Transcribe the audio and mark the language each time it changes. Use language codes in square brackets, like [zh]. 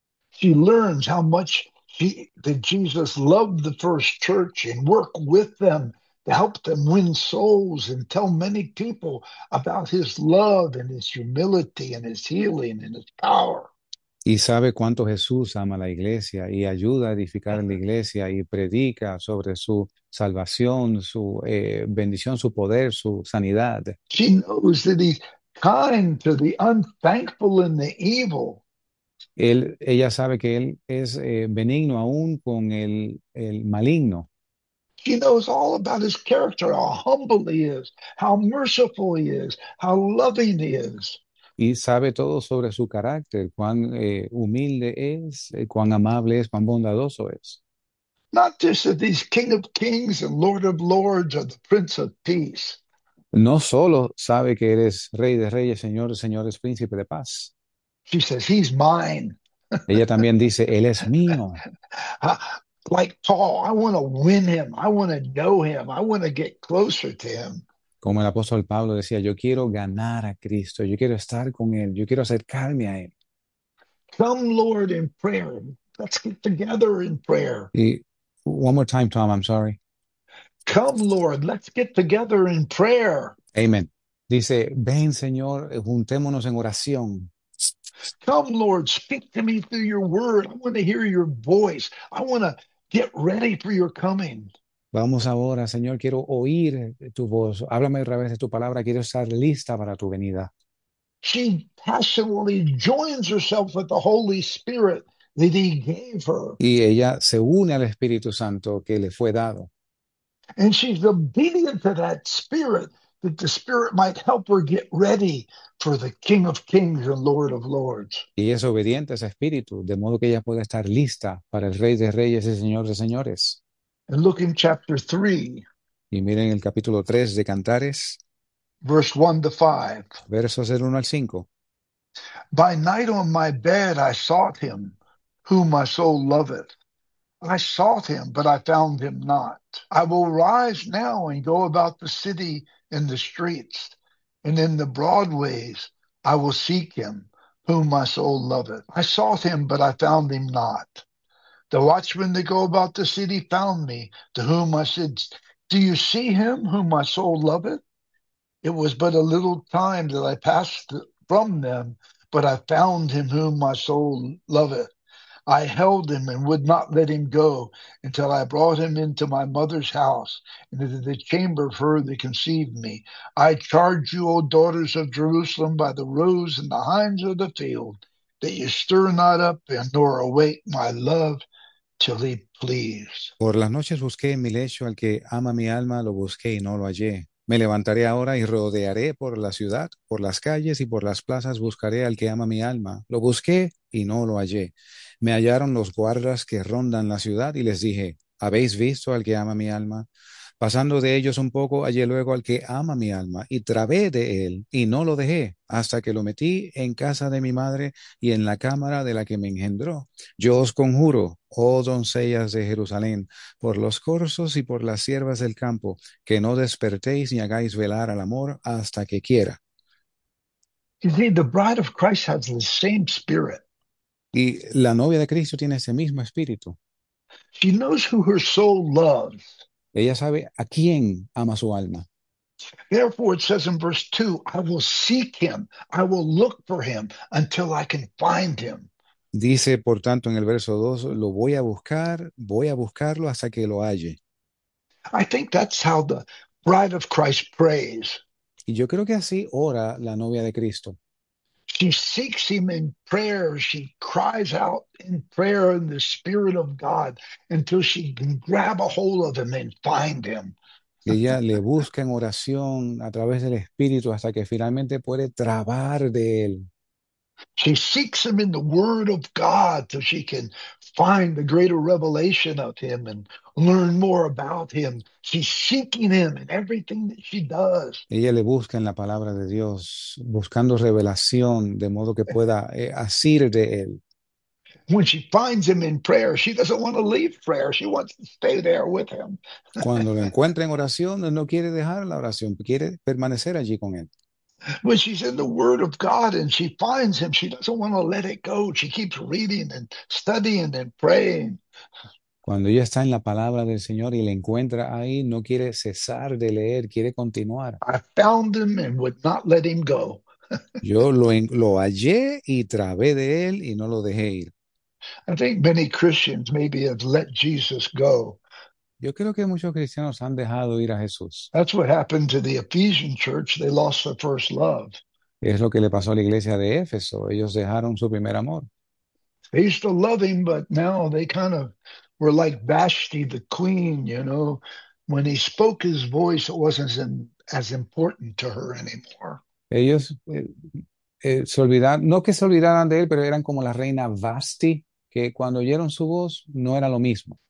[en] She learns how much that Jesus loved the first church and worked with them to help them win souls and tell many people about his love and his humility and his healing and his power. [es] Y sabe cuánto Jesús ama a la iglesia y ayuda a edificar la iglesia y predica sobre su salvación, su bendición, su poder, su sanidad. [en] She knows that he's kind to the unthankful and the evil. [es] Ella sabe que él es benigno aún con el maligno. [en] She knows all about his character, how humble he is, how merciful he is, how loving he is. [es] Y sabe todo sobre su carácter, cuán humilde es, cuán amable es, cuán bondadoso es. [en] Not just that he's King of Kings and Lord of Lords or the Prince of Peace. [es] No solo sabe que eres rey de reyes, señor de señores, príncipe de paz. [en] She says, he's mine. [es] Ella también dice, él es mío. [en] Like Paul, I want to win him. I want to know him. I want to get closer to him. [es] Como el apóstol Pablo decía, yo quiero ganar a Cristo, yo quiero estar con Él, yo quiero acercarme a Él. [en] Come, Lord, in prayer. Let's get together in prayer. [es] Y [en] one more time, Tom, I'm sorry. Come, Lord, let's get together in prayer. [es] Amén. Dice, ven, Señor, juntémonos en oración. [en] Come, Lord, speak to me through your word. I want to hear your voice. I want to get ready for your coming. [es] Vamos ahora, Señor, quiero oír tu voz. Háblame a través de tu palabra. Quiero estar lista para tu venida. [en] She passionately joins herself with the Holy Spirit that he gave her. [es] Y ella se une al Espíritu Santo que le fue dado. [en] And she's obedient to that spirit, that the spirit might help her get ready for the King of Kings and Lord of Lords. [es] Y es obediente a ese espíritu, de modo que ella pueda estar lista para el Rey de Reyes y Señor de Señores. [en] And look in chapter 3, [es] Y miren el capítulo 3 de Cantares, [en] verse 1 to 5. [es] versos del 1 al 5. [en] By night on my bed I sought him, whom my soul loveth. I sought him, but I found him not. I will rise now and go about the city in the streets, and in the broad ways I will seek him, whom my soul loveth. I sought him, but I found him not. The watchmen that go about the city found me, to whom I said, Do you see him whom my soul loveth? It was but a little time that I passed from them, but I found him whom my soul loveth. I held him and would not let him go until I brought him into my mother's house and into the chamber of her that conceived me. I charge you, O daughters of Jerusalem, by the roes and the hinds of the field, that you stir not up and nor awake my love till he please. [es] Por las noches busqué en mi lecho al que ama mi alma, lo busqué y no lo hallé. Me levantaré ahora y rodearé por la ciudad, por las calles y por las plazas buscaré al que ama mi alma. Lo busqué y no lo hallé. Me hallaron los guardas que rondan la ciudad y les dije, ¿habéis visto al que ama mi alma? Pasando de ellos un poco, hallé luego al que ama mi alma y trabé de él y no lo dejé hasta que lo metí en casa de mi madre y en la cámara de la que me engendró. Yo os conjuro, oh doncellas de Jerusalén, por los corzos y por las ciervas del campo, que no despertéis ni hagáis velar al amor hasta que quiera. [en] You see, the bride of Christ has the same spirit. [es] Y la novia de Cristo tiene ese mismo espíritu. [en] She knows who her soul loves. [es] Ella sabe a quién ama su alma. [en] Therefore, it says in verse 2, I will seek him, I will look for him until I can find him. [es] Dice, por tanto, en el verso 2, lo voy a buscarlo hasta que lo halle. [en] I think that's how the bride of Christ prays. [es] Y yo creo que así ora la novia de Cristo. [en] She seeks him in prayer. She cries out in prayer in the Spirit of God until she can grab a hold of him and find him. [es] Ella le busca en oración a través del Espíritu hasta que finalmente puede trabar de él. [en] She seeks him in the Word of God till she can find the greater revelation of him and learn more about him. She's seeking him in everything that she does. [es] Ella le busca en la palabra de Dios, buscando revelación de modo que pueda asir de él. [en] When she finds him in prayer, she doesn't want to leave prayer. She wants to stay there with him. [es] Cuando lo encuentra en oración, no quiere dejar la oración, quiere permanecer allí con él. [en] When she's in the Word of God and she finds him, she doesn't want to let it go. She keeps reading and studying and praying. [es] Cuando ella está en la palabra del Señor y la encuentra ahí, no quiere cesar de leer, quiere continuar. [en] I found him and would not let him go. [es] Yo lo hallé y trabé de él y no lo dejé ir. [en] I think many Christians maybe have let Jesus go. [es] Yo creo que muchos cristianos han dejado ir a Jesús. [en] That's what happened to the Ephesian church. They lost their first love. [es] Es lo que le pasó a la iglesia de Éfeso. Ellos dejaron su primer amor. [en] They used to love him, but now they kind of were like Vashti the queen, When he spoke his voice, it wasn't as important to her anymore. [es] Ellos se olvidaron, no que se olvidaran de él, pero eran como la reina Vasti, que cuando oyeron su voz no era lo mismo.